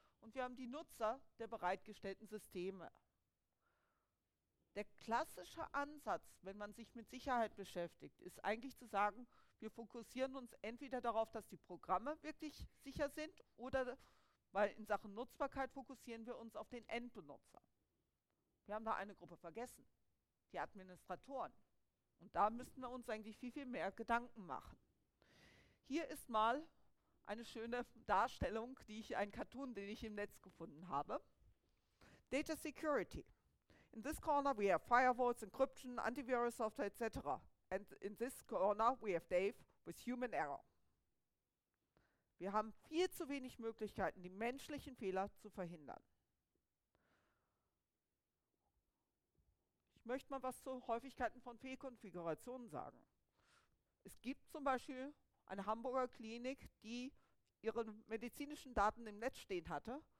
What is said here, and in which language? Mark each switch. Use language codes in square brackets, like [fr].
[de] Und wir haben die Nutzer der bereitgestellten Systeme. Der klassische Ansatz, wenn man sich mit Sicherheit beschäftigt, ist eigentlich zu sagen, wir fokussieren uns entweder darauf, dass die Programme wirklich sicher sind, oder weil in Sachen Nutzbarkeit fokussieren wir uns auf den Endbenutzer. Wir haben da eine Gruppe vergessen, die Administratoren. Und da müssten wir uns eigentlich viel, viel mehr Gedanken machen. Hier ist mal eine schöne Darstellung, ein Cartoon, den ich im Netz gefunden habe. [en] Data Security. In this corner we have firewalls, encryption, antivirus software, etc. And in this corner we have Dave with human error. [de] Wir haben viel zu wenig Möglichkeiten, die menschlichen Fehler zu verhindern. Ich möchte mal was zu Häufigkeiten von Fehlkonfigurationen sagen. Es gibt zum Beispiel eine Hamburger Klinik, die ihre medizinischen Daten im Netz stehen hatte.